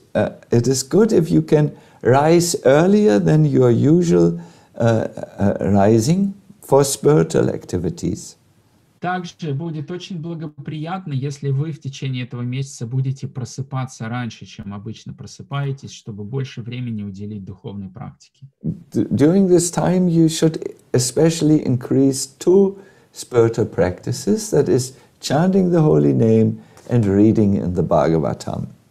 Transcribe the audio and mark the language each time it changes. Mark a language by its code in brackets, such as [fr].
[en] It is good if you can rise earlier than your usual rising for spiritual activities. [ru] Также будет очень благоприятно, если вы в течение этого месяца будете просыпаться раньше, чем обычно просыпаетесь, чтобы больше времени уделить духовной практике. [en] During this time you should especially increase two spiritual practices, that is chanting the holy name and reading in the Bhagavatam.